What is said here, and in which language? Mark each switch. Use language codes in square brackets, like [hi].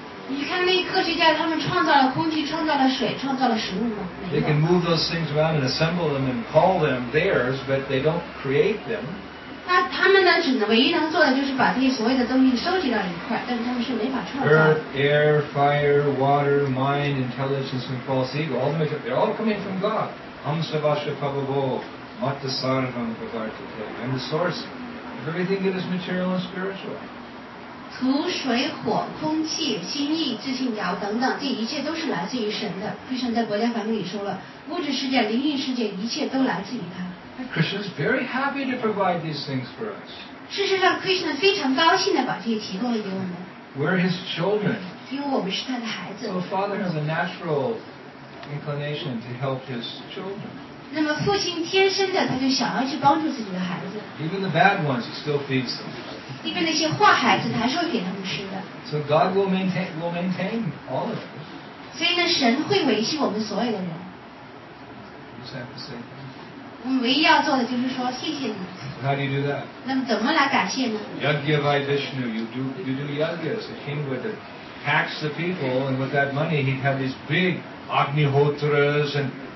[zh] 你看那科学家，他们创造了空气，创造了水，创造了食物吗？ [en] They can move those things around and assemble them and call them theirs, but they don't create them. [zh] 那他们呢？只能唯一能做的就是把这些所谓的东西收集到一块，但是他们是没法创造。 [en] Earth, air, fire, water, mind, intelligence, and false ego. All of them, they're all coming from God. [sa] Amsavasya Pabhavo, Matasarvam Pabhartate. [en] I'm the source of everything that is material and spiritual. [zh] 土水火空气心意自信条等等这一切都是来自于神的。 Krishna 在国家梵里说了物质世界灵运世界一切都来自于他。 [en] Krishna is very happy to provide these things for us. [zh] 事实上 Krishna 非常高兴地把这些提供了给我们。 [en] We're his children. [zh] 因为我们是他的孩子。 [en] So Father has a natural...inclination to help his children. [zh] 那么父亲天生的他就想要去帮助自己的孩子。 [en] Even the bad ones, he still feeds them. [zh] 里面那些坏孩子，他还是会给他们吃的。 [en] So God will maintain all of us. [zh] 所以呢，神会维系我们所有的人。 [en] You just have to say thank you. [zh] 我们唯一要做的就是说谢谢你。 [en] So、how do you do that? [zh] 那么怎么来感谢呢？ [sa] Yagya vai Vishnu, [en] you do yagya. So King would tax the people, and with that money, he'd have these big agnihotras and.